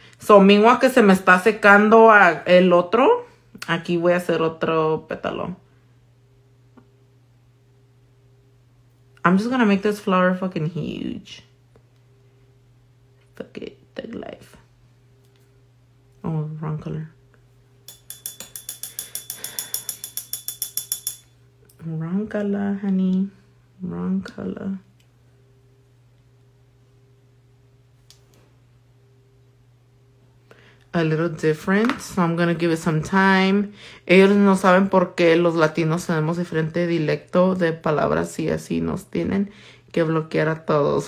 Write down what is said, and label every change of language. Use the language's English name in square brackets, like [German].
[English] So, meanwhile, [Spanish] que se me está secando a el otro, aquí voy a hacer otro pétalo. [English] I'm just gonna make this flower fucking huge. Fuck it, thug life. Oh, wrong color. Wrong color, honey. Wrong color. A little different, so I'm gonna give it some time. [Spanish] Ellos no saben por qué los latinos tenemos diferente dialecto de palabras y así nos tienen que bloquear a todos.